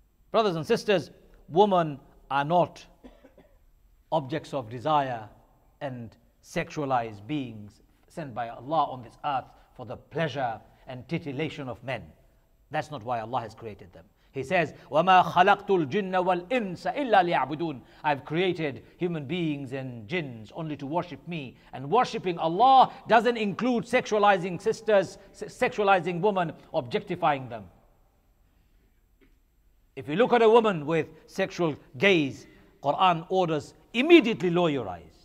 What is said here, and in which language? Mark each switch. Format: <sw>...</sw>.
<en>Brothers and sisters, women are not objects of desire and sexualized beings sent by Allah on this earth for the pleasure and titillation of men. That's not why Allah has created them. He says,</en> <ar>وَمَا خَلَقْتُ الْجِنَّ وَالْإِنسَ إِلَّا لِيَعْبُدُونَ.</ar> <en>I've created human beings and jinns only to worship me. And worshipping Allah doesn't include sexualizing sisters, sexualizing women, objectifying them. If you look at a woman with sexual gaze, Quran orders immediately lower your eyes.</en>